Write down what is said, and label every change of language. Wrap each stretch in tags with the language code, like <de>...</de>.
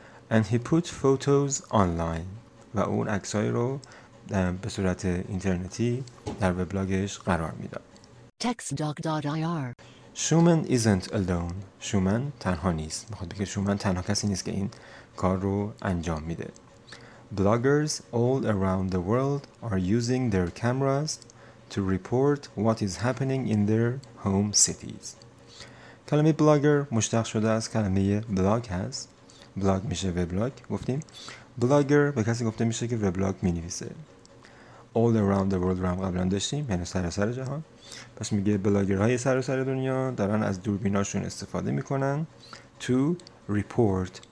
<en>And he put photos online.</en> <fa>و اون عکسای رو به صورت اینترنتی در وبلاگش قرار میداد.</fa> <en>textdoc.ir Schumann isn't alone. Schumann</en> <fa>تنها نیست. میخواد بگه Schumann تنها کسی نیست که این کار رو انجام میده.</fa> <en>Bloggers all around the world are using their cameras to report what is happening in their home cities.</en> <fa>کلمه بلاگر مشتق شده از کلمه بلاگ هست. بلاگ میشه وبلاگ گفتیم. بلاگر به کسی گفته میشه که وبلاگ مینویسه.</fa> <en>All around the world</en> <fa>رو هم قبلا داشتیم، یعنی سراسر جهان. پس میگه بلاگرهای سراسر دنیا دارن از دوربیناشون استفاده میکنن</fa> <en>to report.</en>